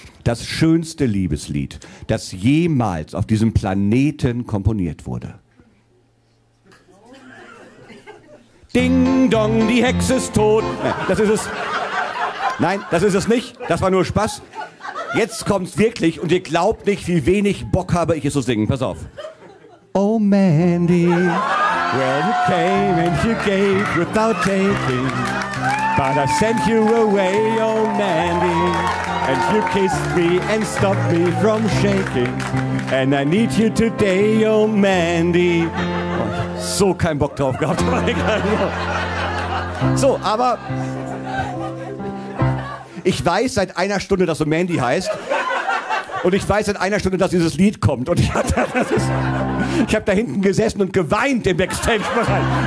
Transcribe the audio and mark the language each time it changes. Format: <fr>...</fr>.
<de>Das schönste Liebeslied, das jemals auf diesem Planeten komponiert wurde. Ding Dong, die Hexe ist tot. Nein, das ist es. Nein, das ist es nicht. Das war nur Spaß. Jetzt kommt's wirklich und ihr glaubt nicht, wie wenig Bock habe ich es zu singen. Pass auf.</de> <en>Oh Mandy, well you came and you gave without taking. But I sent you away, oh Mandy. And you kissed me and stopped me from shaking. And I need you today, oh Mandy.</en> <de>Oh, so kein Bock drauf gehabt. So, aber ich weiß seit einer Stunde, dass du Mandy heißt. Und ich weiß seit einer Stunde, dass dieses Lied kommt. Und ich habe da hinten gesessen und geweint im Backstage-Bereich.</de>